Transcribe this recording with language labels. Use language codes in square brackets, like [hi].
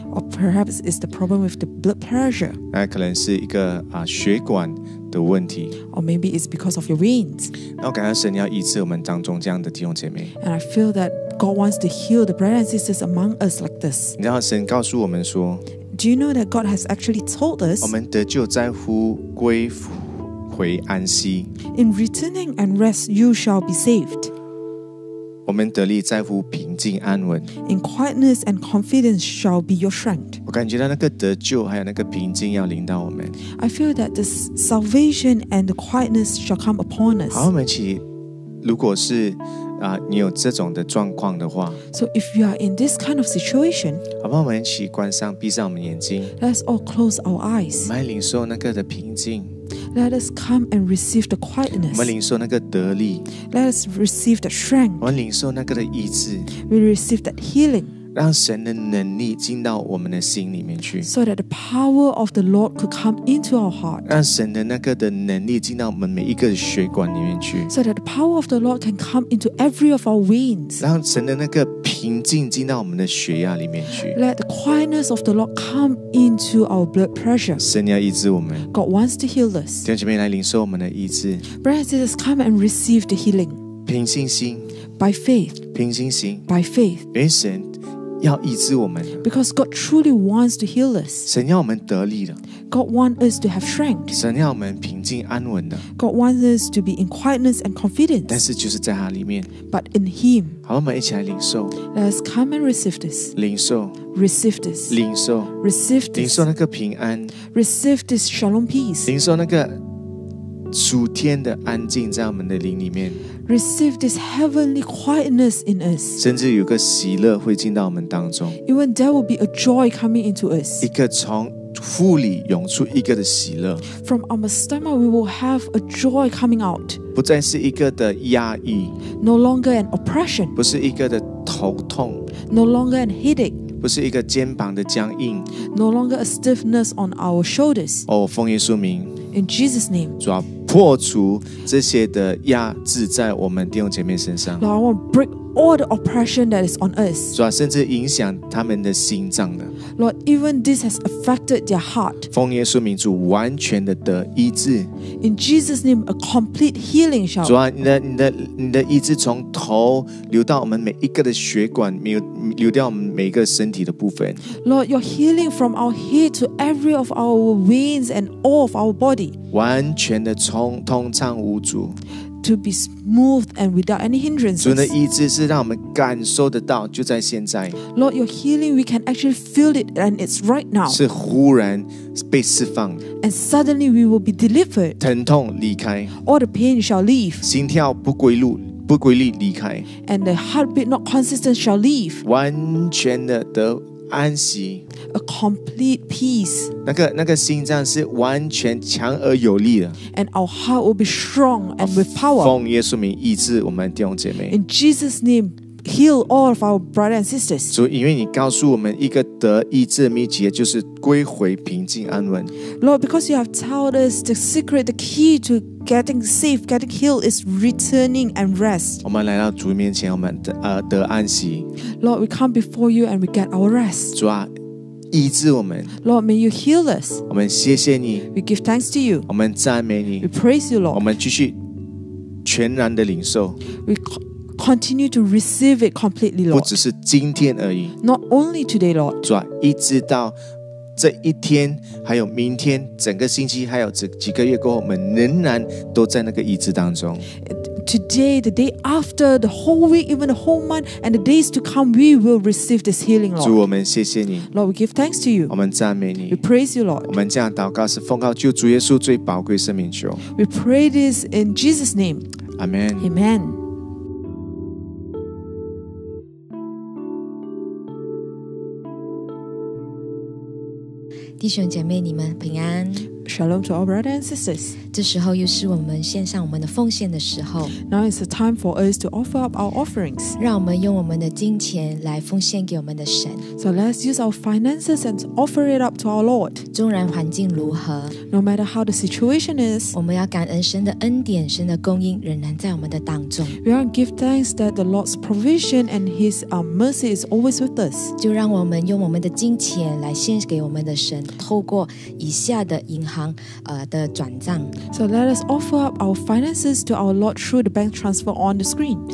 [en] or perhaps it's the problem with the blood pressure， [zh] 那可能是一个血管的问题， [en] or maybe it's because of your veins。 [zh] 那我感到神要医治我们当中这样的弟兄姐妹， [en] and I feel that God wants to heal the brothers and sisters among us like this。 [zh] 你知道神告诉我们说， [en] do you know that God has actually told us， [zh] 我们得救在乎归回安息， [en] in returning and rest you shall be saved， [zh] 我们得力在乎平静安稳。 [en] In quietness and confidence shall be your strength。 [zh] 我感觉到那个得救还有那个平静要临到我们。 [en] I feel that the salvation and the quietness shall come upon us。 [zh] 好，我们一起，如果是你有这种的状况的话。 [en] So if you are in this kind of situation。 [zh] 好，我们一起关上，闭上我们眼睛。 [en] Let's all close our eyes。 [zh] 来领受那个的平静。 [en] Let us come and receive the quietness. [zh] 我们领受那个得力。 [en] Let us receive the strength. [zh] 我们领受那个的医治。 [en] We receive that healing. [zh] 让神的能力进到我们的心里面去。 [en] So that the power of the Lord could come into our heart. [zh] 让神的那个的能力进到我们每一个血管里面去。 [en] So that the power of the Lord can come into every of our veins. [zh] 让神的那个平平静进到我们的血压里面去。 [en] Let the quietness of the Lord come into our blood pressure. [zh] 神要医治我们。 [en] God wants to heal us. [zh] 弟兄姐妹来领受我们的医治。 [en] Brothers and sisters, come and receive the healing. [zh] 凭信心。 [en] By faith. [zh] 凭信心。 [en] By faith. [zh] 因为神要医治我们。 [en] Because God truly wants to heal us. [zh] 神要我们得力的。 [en] God wants us to have strength. [zh] 神要我们平静安稳的。 [en] God wants us to be in quietness and confidence. [zh] 但是就是在他里面。 [en] But in him. [zh] 好，我们一起来领受。 [en] Let's come and receive this. [zh] 领受。 [en] Receive this. [zh] 领受。 [en] Receive this. [zh] 领受那个平安。 [en] Receive this shalom peace. [zh] 领受那个属天的安静在我们的灵里面。 [en] Receive this heavenly quietness in us. [zh] 甚至有个喜乐会进到我们当中。 [en] Even there will be a joy coming into us. [zh] 一个从腹里涌出一个的喜乐。 [en] From our stomach, we will have a joy coming out. [zh] 不再是一个的压抑。 [en] No longer an oppression. [zh] 不是一个的头痛。 [en] No longer a headache. [zh] 不是一个肩膀的僵硬。 [en] No longer a stiffness on our shoulders. [zh] 哦，奉耶稣名。 [en] In Jesus name. [zh] 主要破除这些的压制在我们弟兄姐妹身上。 [en] Lord, I want to break all the oppression that is on us. [zh] 主要甚至影响他们的心脏的。 [en] Lord, even this has affected their heart. [zh] 奉耶稣名，主完全的得医治。 [en] In Jesus name, a complete healing shall. [zh] 主要你的医治从头流到我们每一个的血管，流掉我们每一个身体的部分。 [en] Lord, your healing from our head to every of our veins and all of our body. [zh] 完全的通畅无阻。 [en] To be smooth and without any hindrances. [zh] 主的医治是让我们感受得到，就在现在。 [en] Lord, your healing, we can actually feel it and it's right now. [zh] 是忽然被释放。 [en] And suddenly we will be delivered. [zh] 疼痛离开。 [en] All the pain shall leave. [zh] 心跳不归路。不规律离开。 [en] And the heartbeat not consistent shall leave. [zh] 完全的得安息。 [en] A complete peace. [zh] 那个心脏是完全强而有力的。 [en] And our heart will be strong and with power. [zh] 奉耶稣名医治我们弟兄姐妹。 [en] In Jesus name, heal all of our brothers and sisters. [zh] 主，因为你告诉我们一个得医治的秘诀，就是归回平静安稳。 [en] Lord, because you have told us the secret, the key toGetting safe, getting healed is returning and rest. [zh] 我们来到主面前，我们得安息。 [en] Lord, we come before you and we get our rest. [zh] 主啊，医治我们。 [en] Lord, may you heal us. [zh] 我们谢谢你。 [en] We give thanks to you. [zh] 我们赞美你。 [en] We praise you, Lord. [zh] 我们继续全然的领受。 [en] We continue to receive it completely, Lord. [zh] 不只是今天而已。 [en] Not only today, Lord. [zh] 主啊，一直到这一天，还有明天，整个星期，还有这几个月过后，我们仍然都在那个医治当中。 [en] Today, the day after, the whole week, even the whole month, and the days to come, we will receive this healing, Lord. [zh] 主，我们谢谢你。 [en] Lord, we give thanks to you. [zh] 我们赞美你。 [en] We praise you, Lord. [zh] 我们这样祷告是奉靠救主耶稣最宝贵圣名求。 [en] We pray this in Jesus' name. Amen. Amen. [zh] 弟兄姐妹，你们平安。 [en] Shalom to all brothers and sisters. [zh] 这时候又是我们献上我们的奉献的时候。 [en] Now is the time for us to offer up our offerings. [zh] 让我们用我们的金钱来奉献给我们的神。 [en] So let's use our finances and offer it up to our Lord. [zh] 纵然环境如何。 [en] No matter how the situation is. [zh] 我们要感恩神的恩典，神的供应仍然在我们的当中。 [en] We want to give thanks that the Lord's provision and His mercy is always with us. [zh] 就让我们用我们的金钱来献给我们的神，透过以下的银行。的转账。 [en] So let us offer up our finances to our Lord through the bank transfer on the screen.